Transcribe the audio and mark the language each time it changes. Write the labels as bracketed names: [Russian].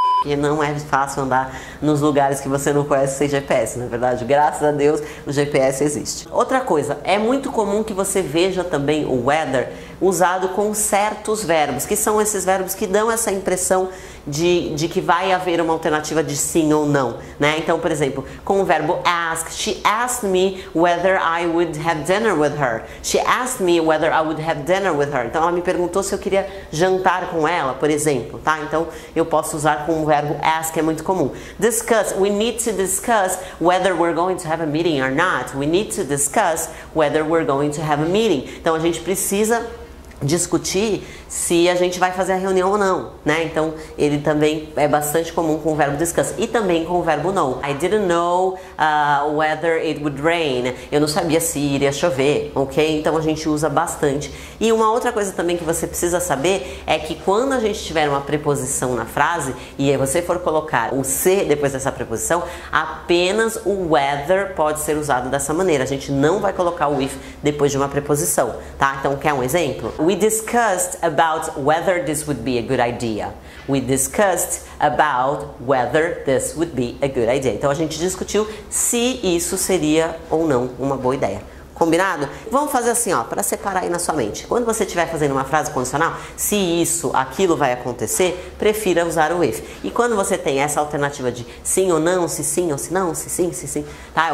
[Portuguese] Porque não é fácil andar nos lugares que você não conhece sem GPS, na verdade, graças a Deus o GPS existe. Outra coisa, é muito comum que você veja também o weather usado com certos verbos, que são esses verbos que dão essa impressão de que vai haver uma alternativa de sim ou não, né? Então, por exemplo, com o verbo ask, [English] she asked me whether I would have dinner with her. She asked me whether I would have dinner with her. [Portuguese] Então, ela me perguntou se eu queria jantar com ela, por exemplo, tá? Então, eu posso usar com o verbo ask, é muito comum. [English] Discuss, we need to discuss whether we're going to have a meeting or not. We need to discuss whether we're going to have a meeting. [Portuguese] Então, a gente precisa discutir se a gente vai fazer a reunião ou não, né? Então, ele também é bastante comum com o verbo discuss e também com o verbo know. [English] I didn't know whether it would rain. [Portuguese] Eu não sabia se iria chover, ok? Então, a gente usa bastante. E uma outra coisa também que você precisa saber é que quando a gente tiver uma preposição na frase e aí você for colocar o se depois dessa preposição, apenas o whether pode ser usado dessa maneira. A gente não vai colocar o if depois de uma preposição, tá? Então, quer um exemplo? [English] We discussed about whether this would be a good idea. We discussed about whether this would be a good idea. [Portuguese] Então a gente discutiu se isso seria ou não uma boa ideia. Combinado? Vamos fazer assim, ó, para separar aí na sua mente. Quando você estiver fazendo uma frase condicional, se isso, aquilo vai acontecer, prefira usar o if. E quando você tem essa alternativa de sim ou não, se sim ou se não, se sim, se sim, tá?